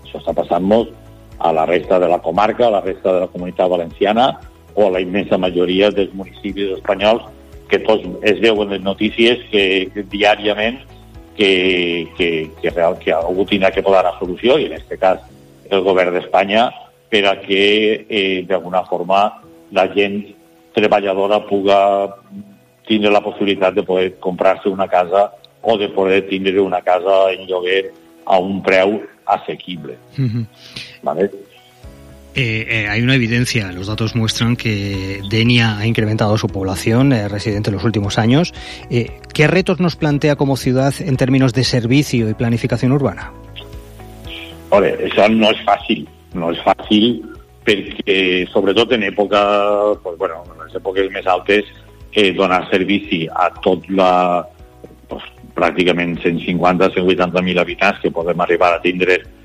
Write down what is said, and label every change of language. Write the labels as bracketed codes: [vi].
[ca] Això està passant-nos a la resta de la comarca, a la resta de la Comunitat Valenciana, o la immensa majoria dels municipis espanyols, que tots es veuen les notícies que diàriament que algú tindrà que posar la solució, i en aquest cas el govern d'Espanya, per a que d'alguna forma la gent treballadora puga tindre la possibilitat de poder comprar-se una casa o de poder tindre una casa en lloguer a un preu assequible. Mm-hmm. Vale? [es] Hay una evidencia, los datos muestran que Denia ha incrementado su población residente en los últimos años. ¿Qué retos nos plantea como ciudad en términos de servicio y planificación urbana? Oye, eso no es fácil, no es fácil porque sobre todo en época, pues bueno, en las épocas más altas, donar servicio a toda la, pues prácticamente 150-180.000 habitantes que podemos [ca] arribar a tindre